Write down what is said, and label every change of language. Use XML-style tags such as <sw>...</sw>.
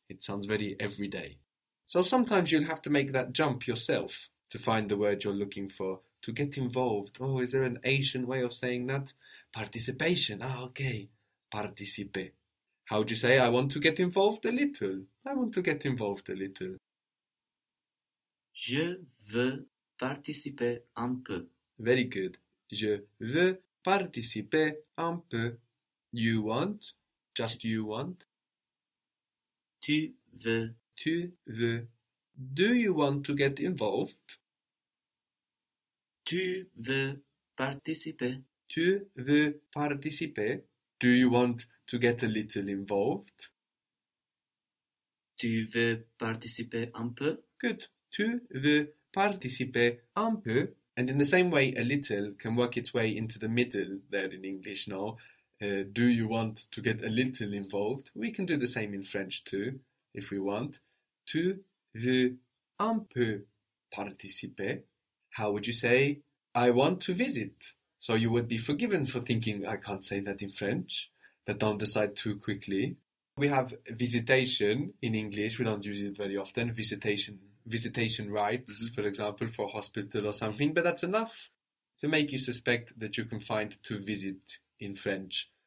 <en>It sounds very everyday. So sometimes you'll have to make that jump yourself to find the word you're looking for. To get involved. Oh, is there an Asian way of saying that? Participation. Ah, okay. Participe. How would you say, I want to get involved a little? I want to get involved a little.</en> <fr>Je veux participer un peu.</fr> <en>Very good.</en> <fr>Je veux participer un peu.</fr> <en>You want? Just you want?</en> <fr>Tu veux. Tu veux.</fr> <en>Do you want to get involved?</en> <fr>Tu veux participer. Tu veux participer?</fr> <en>Do you want to get a little involved?</en> <fr>Tu veux participer un peu.</fr> <en>Good.</en> <fr>Tu veux participer un peu?</fr> <en>And in the same way, a little can work its way into the middle there in English, no? Do you want to get a little involved? We can do the same in French too, if we want.</en> <fr>Tu veux un peu participer?</fr> <en>How would you say, I want to visit? So you would be forgiven for thinking, I can't say that in French, but don't decide too quickly. We have visitation in English. We don't use it very often. Visitation rights, for example, for a hospital or something, but that's enough to make you suspect that you can find to visit in French.</en>